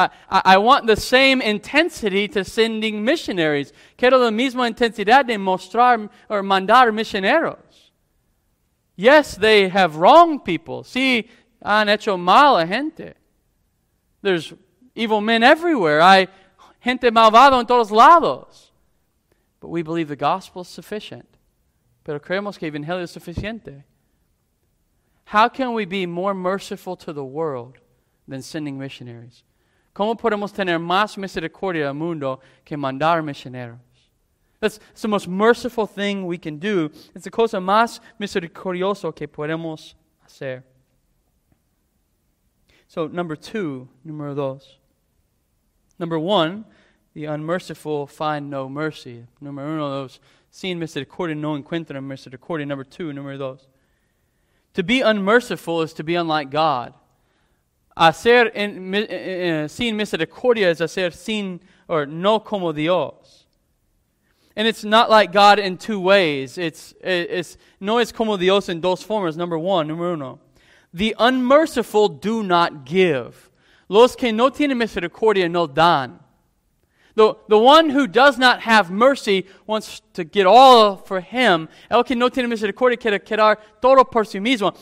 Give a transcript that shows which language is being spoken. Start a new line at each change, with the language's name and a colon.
English: I want the same intensity to sending missionaries.
Spanish: Quiero la misma intensidad de mostrar or mandar misioneros.
English: Yes, they have wronged people.
Spanish: Sí, han hecho mal a gente.
English: There's evil men everywhere.
Spanish: Hay gente malvada en todos lados.
English: But we believe the gospel is sufficient.
Spanish: Pero creemos que el evangelio es suficiente.
English: How can we be more merciful to the world than sending missionaries?
Spanish: ¿Cómo podemos tener más misericordia al mundo que mandar misioneros?
English: That's the most merciful thing we can do. It's the
Spanish: cosa más misericordioso que podemos hacer.
English: So,
Spanish: número dos.
English: Number one, the unmerciful find no mercy.
Spanish: Number uno, those sin misericordia no encuentran misericordia.
English: Number two,
Spanish: número dos.
English: To be unmerciful is to be unlike God.
Spanish: Hacer sin misericordia es hacer sin or no como Dios.
English: And it's not like God in two ways.
Spanish: It's no es como Dios en dos formas.
English: Number one,
Spanish: número uno.
English: The unmerciful do not give.
Spanish: Los que no tienen misericordia no dan.
English: The one who does not have mercy wants to get all for him.
Spanish: El que no tiene misericordia quiere quedar todo por sí mismo.